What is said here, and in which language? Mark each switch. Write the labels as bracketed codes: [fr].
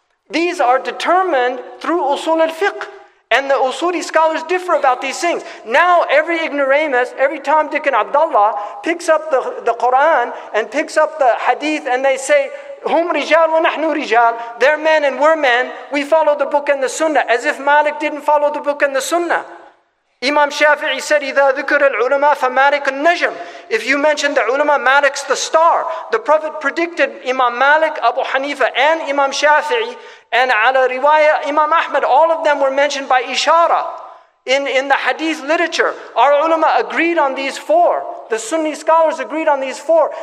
[en] These are determined through usul al-fiqh. And the usuli scholars differ about these things. Now every ignoramus, every Tom, Dick, and Abdullah picks up the Quran and picks up the hadith and they say, [ar] Hum rijal wa nahnu rijal. [en] They're men and we're men. We follow the book and the sunnah. As if Malik didn't follow the book and the sunnah. Imam Shafi'i said, [ar] إِذَا ذُكُرَ الْعُلَمَا فَمَالِكُ النَّجْمُ. [en] If you mention the ulama, Malik's the star. The Prophet predicted Imam Malik, Abu Hanifa, and Imam Shafi'i, and ala riwaya, Imam Ahmad, all of them were mentioned by ishara in the hadith literature. Our ulama agreed on these four. The Sunni scholars agreed on these four.